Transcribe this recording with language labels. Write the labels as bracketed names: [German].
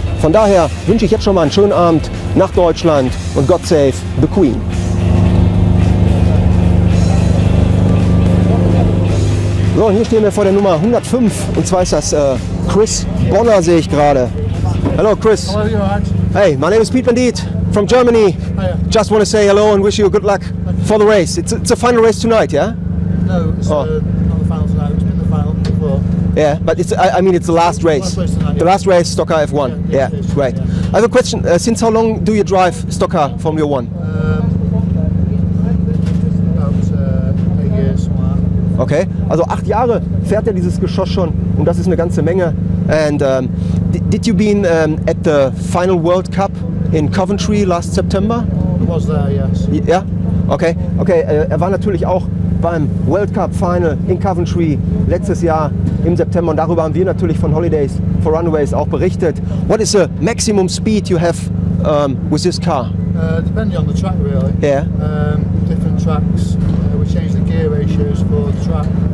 [German] Von daher wünsche ich jetzt schon mal einen schönen Abend nach Deutschland und [English] God save the Queen. [German] So, und hier stehen wir vor der Nummer 105 und zwar ist das Chris Bonner, sehe ich gerade. [English] Hello Chris. How are you, Hans? Hey, my name is Pete Bandit from Germany. Hiya. Just want to say hello and wish you good luck for the race. It's a final race tonight, yeah? No, it's not the final tonight. Yeah, but it's the last race. The last race, Stocker F1. Yeah, great. Yeah. I have a question. Since how long do you drive Stocker Formula 1? About a year, [German] so. Okay, also 8 Jahre fährt er dieses Geschoss schon und das ist eine ganze Menge. [English] And did you been at the final World Cup in Coventry last September? I was there, yes. Yeah? Okay. [German] Er war natürlich auch beim World Cup Final in Coventry letztes Jahr im September und darüber haben wir natürlich von Holidays for Runaways auch berichtet. [English] What is the maximum speed you have with this car? Depending on the track really. Yeah. Different tracks, we change the gear ratios for the track.